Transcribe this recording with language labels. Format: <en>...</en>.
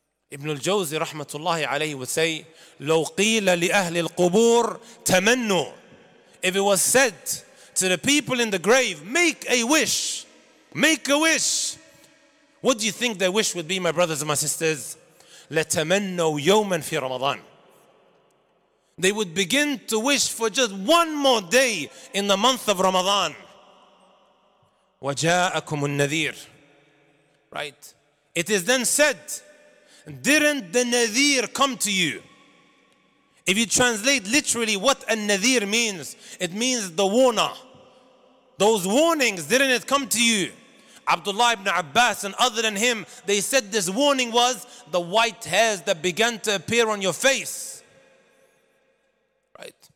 <en>Ibn al-Jawzi rahmatullahi alayhi would say,</en> <ar>لَوْ قِيلَ لِأَهْلِ الْقُبُورِ تَمَنُّوا</ar> <en>If it was said to the people in the grave, make a wish, make a wish. What do you think their wish would be, my brothers and my sisters?</en> <ar>لَتَمَنُّوا يَوْمًا فِي رَمَضَانِ</ar> <en>They would begin to wish for just one more day in the month of Ramadan.</en> <ar>وَجَاءَكُمُ النَّذِيرُ</ar> <en>Right? It is then said, didn't the nadir come to you? If you translate literally what a nadir means, it means the warner. Those warnings, didn't it come to you? Abdullah ibn Abbas and other than him, they said this warning was the white hairs that began to appear on your face. Right?</en>